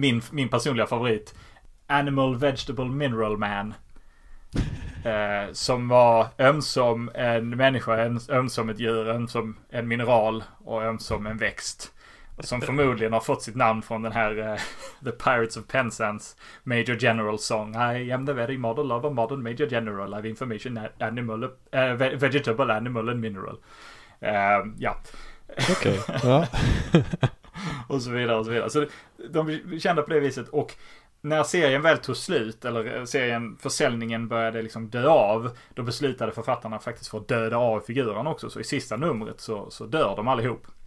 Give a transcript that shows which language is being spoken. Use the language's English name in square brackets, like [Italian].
[Swedish] Min personliga favorit, Animal Vegetable Mineral Man, som var ömsom en människa, ömsom ett djur, ömsom en mineral och ömsom en växt, som förmodligen har fått sitt namn från den här The Pirates of Penzance Major General song. [English] I am the very model of a modern Major General. I have information animal, vegetable, animal and mineral. [Swedish] Ja. Okej. Och så vidare och så vidare. Så de kände på det viset, och när serien väl tog slut, eller serien, försäljningen började liksom dö av, då beslutade författarna faktiskt för att döda av figuren också. Så i sista numret så dör de allihop.